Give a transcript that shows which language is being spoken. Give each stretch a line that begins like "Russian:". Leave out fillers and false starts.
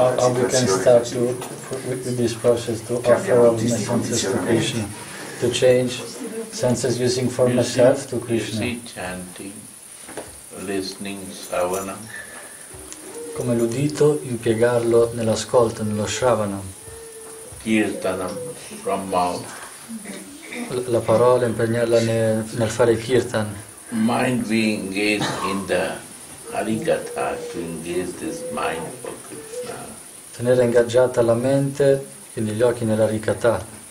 English: how we can start with this process to offer all my senses to Krishna? To change senses using for myself to Krishna? You see, chanting, listening, savana.
Italian: Come l'udito, impiegarlo nell'ascolto, nello shravanam.
English: Kirtanam, from mouth.
Italian: La parola, impegnarla nel fare kirtan.
English: Mind being engaged in the harikatha, to engage this mind for Krishna.
Italian: Tenere ingaggiata la mente, quindi gli occhi nell'harikatha.